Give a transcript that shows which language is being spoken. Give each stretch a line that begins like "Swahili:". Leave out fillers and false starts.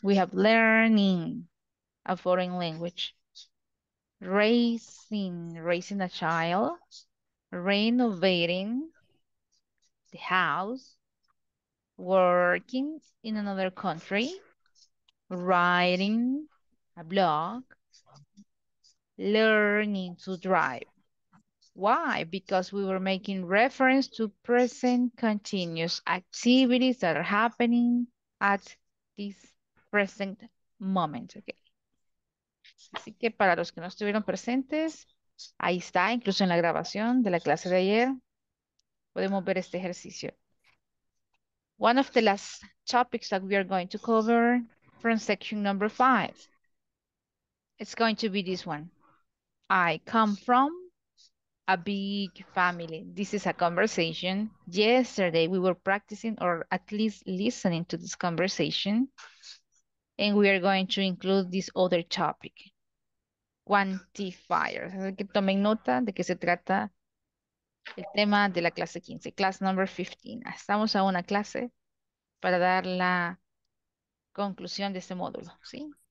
English: We have learning a foreign language, raising a child, renovating the house, working in another country, writing a blog, learning to drive. Why? Because we were making reference to present continuous activities that are happening at this present moment. Okay.
Spanish: Así que para los que no estuvieron presentes, ahí está, incluso en la grabación de la clase de ayer, podemos ver este ejercicio.
English: One of the last topics that we are going to cover from section number 5. It's going to be this one. I come from a big family. This is a conversation. Yesterday, we were practicing or at least listening to this conversation. And we are going to include this other topic. Quantifiers.
Spanish: Así que tomen nota de qué se trata el tema de la clase 15.
English: Class number 15.
Spanish: Estamos a una clase para dar la conclusión de este módulo, ¿sí?